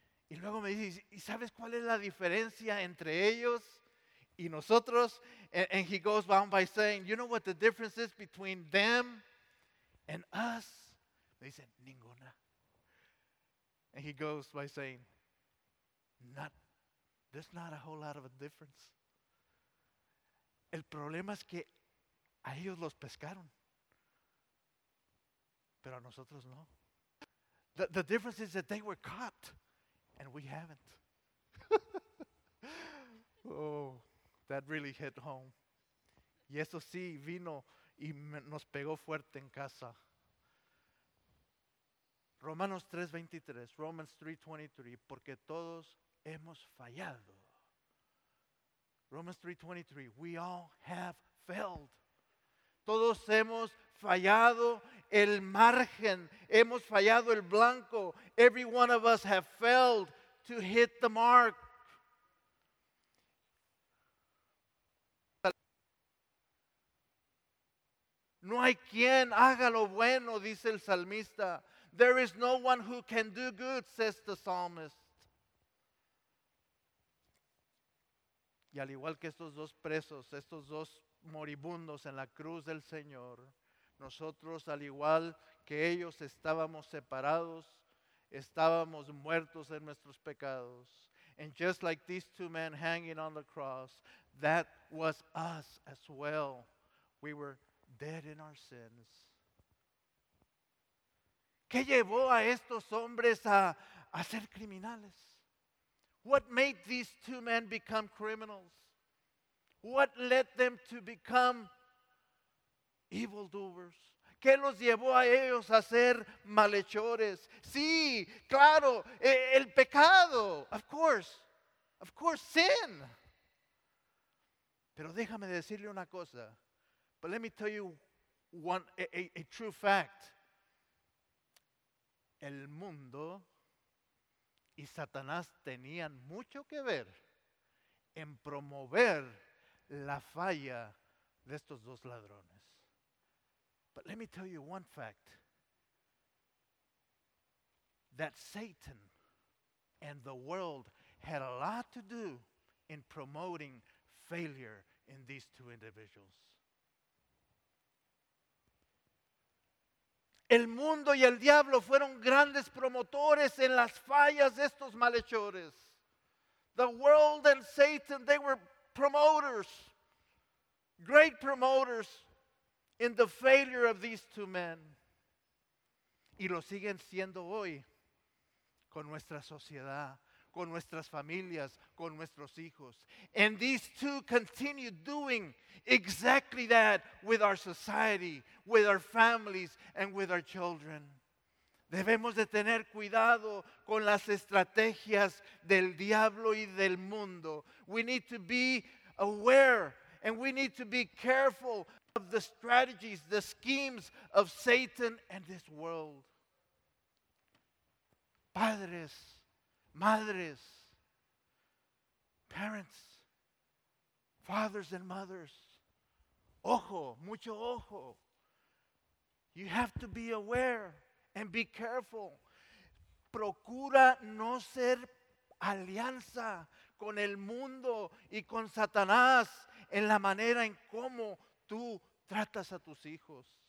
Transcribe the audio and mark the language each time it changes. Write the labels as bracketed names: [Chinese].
[Spanish] Y luego me dice, ¿y sabes cuál es la diferencia entre ellos y nosotros? [English] And he goes on by saying, you know what the difference is between them and us? They said, [Spanish] ninguna. [English] And he goes by saying, not, there's not a whole lot of a difference. [Spanish] El problema es que a ellos los pescaron, pero a nosotros no. [English] The difference is that they were caught and we haven't. Oh, that really hit home. [Spanish] Y eso sí vino y nos pegó fuerte en casa. Romanos 3:23, Romans 3:23, porque todos hemos fallado. [English] Romans 3:23, we all have failed. [Spanish] Todos hemos fallado el margen, hemos fallado el blanco. [English] Every one of us have failed to hit the mark. [Spanish] No hay quien haga lo bueno, dice el salmista. [English] There is no one who can do good, says the psalmist. [Spanish] Y al igual que estos dos presos, estos dos moribundos en la cruz del Señor, nosotros al igual que ellos estábamos separados, estábamos muertos en nuestros pecados. [English] And just like these two men hanging on the cross, that was us as well. We were dead in our sins. [Spanish] ¿Qué llevó a estos hombres a ser criminales? [English] What made these two men become criminals? What led them to become evildoers? [Spanish] ¿Qué los llevó a ellos a ser malhechores? Sí, claro, el pecado, [English] of course, sin. [Spanish] Pero déjame decirle una cosa, [English] but let me tell you one a true fact. [Spanish] El mundo y Satanás tenían mucho que ver en promover la falla de estos dos ladrones. [English] But let me tell you one fact. That Satan And the world had a lot to do in promoting failure in these two individuals. [Spanish] El mundo y el diablo fueron grandes promotores en las fallas de estos malhechores. [English] The world and Satan, they were promoters, great promoters in the failure of these two men. [Spanish] Y lo siguen siendo hoy con nuestra sociedad, con nuestras familias, con nuestros hijos. [English] And these two continue doing exactly that with our society, with our families, and with our children. [Spanish] Debemos de tener cuidado con las estrategias del diablo y del mundo. [English] We need to be aware and we need to be careful of the strategies, the schemes of Satan and this world. [Spanish] Padres, madres, [English] parents, fathers and mothers. [Spanish] Ojo, mucho ojo. [English] You have to be aware and be careful. [Spanish] Procura no ser alianza con el mundo y con Satanás en la manera en cómo tú tratas a tus hijos.